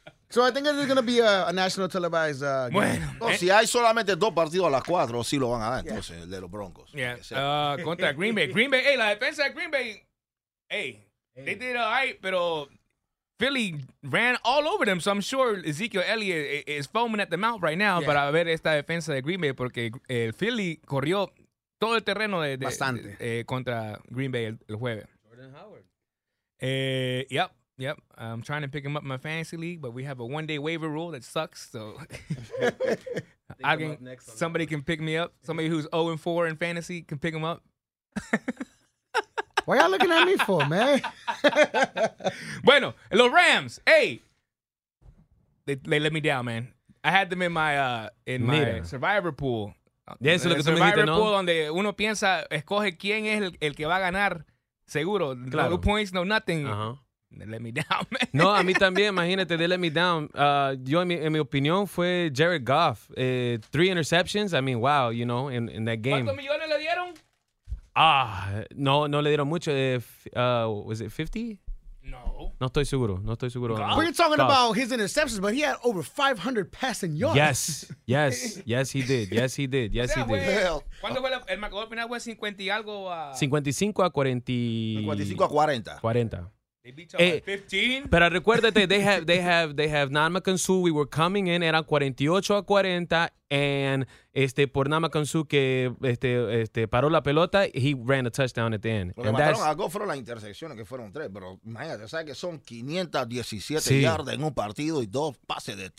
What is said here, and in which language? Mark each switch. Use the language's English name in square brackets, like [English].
[English] So I think it's going to be a national televised game. [Spanish] Bueno, si hay solamente dos partidos a las 4, sí lo van a dar, entonces, el de los Broncos. [English] Yeah. [Spanish] Contra Green Bay. Green Bay, [English] la defensa de Green Bay, they did all right, [Spanish] pero [English] Philly ran all over them, so I'm sure Ezekiel Elliott is foaming at the mouth right now [Spanish] para ver esta defensa de Green Bay, porque el Philly corrió todo el terreno contra Green Bay el jueves. [English] Jordan Howard. Yep, I'm trying to pick him up in my fantasy league, but we have a one-day waiver rule that sucks, so somebody can pick me up. Somebody who's 0-4 in fantasy can pick him up. What y'all looking at me for, man? [Spanish] Bueno, los [English] Rams, they let me down, man. I had them in my survivor pool. [Spanish] Yeah, eso lo que [English] survivor [Spanish] dijiste, ¿no? Pool donde uno piensa, escoge quién es el que va a ganar, seguro. Claro. [English] No points, no nothing. Uh-huh. Let me down, man. [Spanish] No, a mí también, imagínate, de [English] let me down. [Spanish] Yo, en mi opinión, fue Jared Goff. [English] 3 interceptions, I mean, wow, you know, in that game. [Spanish] ¿Cuántos millones le dieron? No le dieron mucho. [English] Was it 50? [Spanish] No. No estoy seguro. [English] Goff? We're talking Goff. About his interceptions, but he had over 500 passing yards. Yes. Yes, he did. Yes, [Spanish] o sea, [English] he did. [Spanish] ¿Cuándo fue el marcador final? ¿Fue 50 y algo? 55 a 40. 55 a 40. 40. [English] They beat you by 15. [Spanish] Pero recuérdate, [English] they have [Spanish] Namakansu. [English] We were coming in, [Spanish] eran 48 a 40, [English] and [Spanish] por Namakansu que paró la pelota, [English] he ran a touchdown at the end. [Spanish] Lo que mataron a Goff fueron las intercepciones, que fueron tres, pero imagínate, sabes que son 517 yardas en un partido y dos pases de